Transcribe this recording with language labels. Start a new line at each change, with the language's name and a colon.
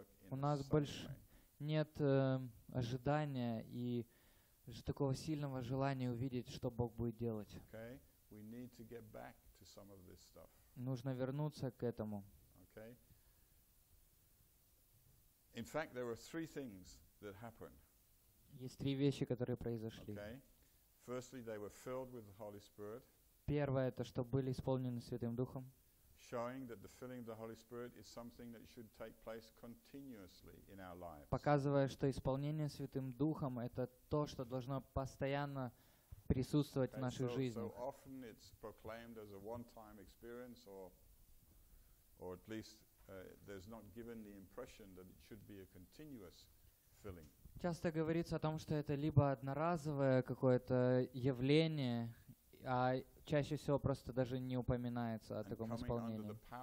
Russian: У нас больше нет ожидания и такого сильного желания увидеть, что Бог будет делать.
English: Okay. We need to get back to some of this stuff.
Russian: Нужно вернуться к этому.
English: Okay. In fact, there were three things that happened.
Russian: Есть три вещи, которые произошли.
English: Okay. Firstly, they were filled with the Holy Spirit.
Russian: Первое, это что были исполнены Святым Духом.
English: Showing that the filling of the Holy Spirit is something that should take place continuously in our lives.
Russian: Показывая, что исполнение Святым Духом это то, что должно постоянно присутствовать в наших жизнях.
English: So often it's proclaimed as a one-time experience, or at least there's not given the impression that it should be a continuous filling.
Russian: Часто говорится о том, что это либо одноразовое какое-то явление, а чаще всего просто даже не упоминается о таком исполнении.